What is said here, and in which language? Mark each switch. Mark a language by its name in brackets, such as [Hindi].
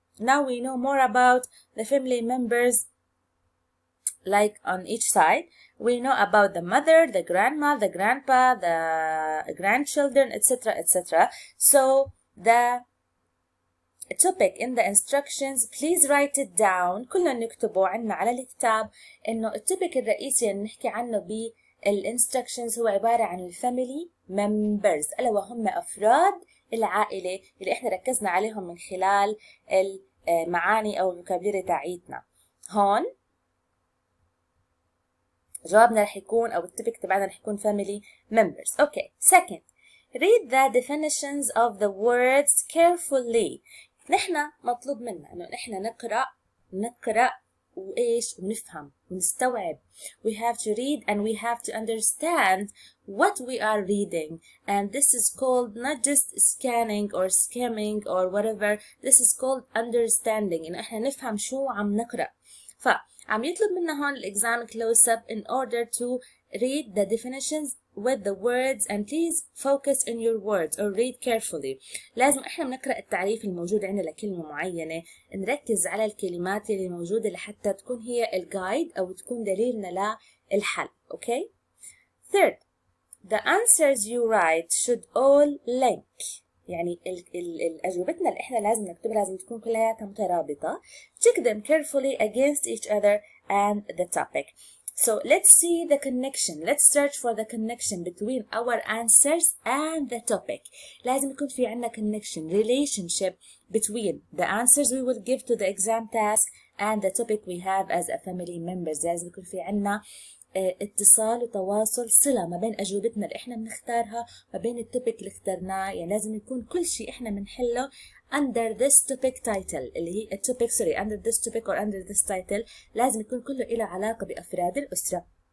[English] Now we know more about the family members. Like on each side, we know about the mother, the grandma, the grandpa, the grandchildren, etc., etc. So the topic in the instructions, please write it down. [Arabic] كلنا نكتبه عنا على الكتاب إنه التوبيك الرئيسي اللي نحكي عنه بالinstructions هو عبارة عن الفاميلي ممبرز، ألا وهم أفراد العائلة اللي إحنا ركزنا عليهم من خلال المعاني أو الفوكابيلري تاعيتنا هون. جوابنا رح يكون أو التوبيك تبعنا رح يكون family members. [English] Okay, second, read the definitions of the words carefully. [Arabic] نحنا مطلوب منا إنه نحنا نقرأ وإيش ونفهم ونستوعب. [English] We have to read and we have to understand what we are reading. And this is called not just scanning or skimming or whatever. This is called understanding. [Arabic] إنه إحنا نفهم شو عم نقرأ. فعم يطلب منا هون الإكزام [English] close up in order to read the definitions with the words and please focus on your words or read carefully. [Arabic] لازم احنا بنقرأ التعريف الموجود عندنا لكلمة معينة نركز على الكلمات اللي موجودة لحتى تكون هي الجايد او تكون دليلنا للحل. [English] Okay? Third, the answers you write should all link. [Arabic] يعني الاجوبتنا اللي احنا لازم نكتبها لازم تكون كلها مترابطة. [English] Check them carefully against each other and the topic. So let's see the connection. Let's search for the connection between our answers and the topic. [Arabic] لازم يكون في عنا [English] connection, relationship between the answers we will give to the exam task and the topic we have as a family members. [Arabic] لازم يكون في عنا اتصال وتواصل صلة ما بين أجوبتنا اللي إحنا بنختارها ما بين التوبيك اللي اخترناه. يعني لازم يكون كل شيء إحنا بنحله [English] under this topic title [Arabic] اللي هي [English] topic sorry under this topic or under this title [Arabic] لازم يكون كله إلى علاقة بأفراد الأسرة.